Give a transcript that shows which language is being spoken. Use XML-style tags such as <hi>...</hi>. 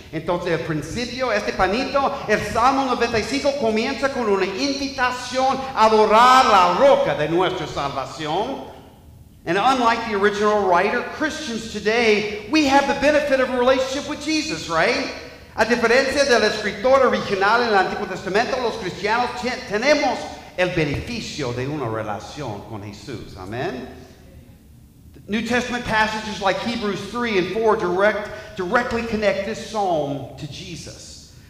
<es>Entonces, al principio, este panito, el Salmo 95 comienza con una invitación a adorar la roca de nuestra salvación.</es> <en>And unlike the original writer, Christians today, we have the benefit of a relationship with Jesus, right?</en> <es>A diferencia del escritor original en el Antiguo Testamento, los cristianos tenemos el beneficio de una relación con Jesús. Amen.</es> <en>New Testament passages like Hebrews 3 and 4 directly connect this psalm to Jesus.</en>